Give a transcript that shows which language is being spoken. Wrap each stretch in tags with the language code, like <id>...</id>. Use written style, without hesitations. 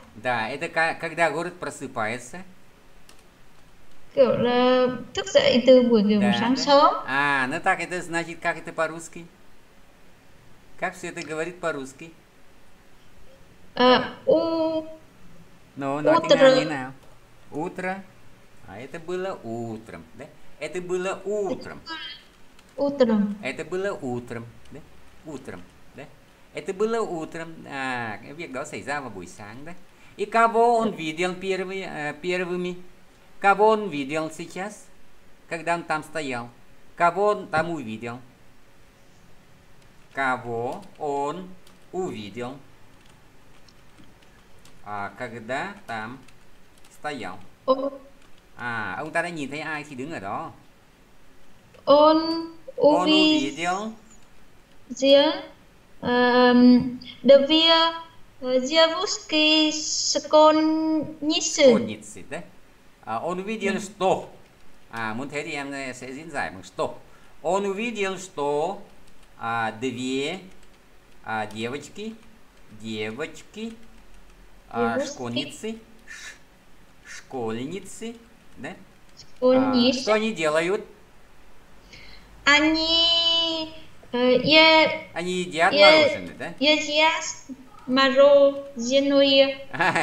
<ru>Да, это когда город просыпается.</ru> <vi>Kiểu là thức dậy từ buổi chiều</vi> <ru>Да,</ru> <vi>sáng</vi> <ru>да.</ru> <vi>sớm.</vi> <ru>А, ну так это значит, как это по-русски? Как все это говорит по-русски? Ну, ну а ты говори Утро. нам. Утро. А это было утром, да? Это было утром. Утро. Это было утром, да? Утром, да? Это было утром.</ru> <vi>А, việc đó xảy ra vào buổi sáng, да?</vi> <ru>И кого он видел первыми? Кого он видел сейчас, когда он там стоял? Кого он там увидел? Кого он увидел? À, когда там стоял.</ru> <vi>À, ông ta đã nhìn thấy ai khi đứng ở đó.</vi> <ru>Он увидел. Школьницы, да? À, он увидел что?</ru> <vi>À, muốn thế thì em sẽ diễn giải bằng что.</vi> <ru>Он увидел, что две девочки, Девушки. школьницы, школьницы, да? Что Школьницы. они делают? Они едят мороженое, да?</ru>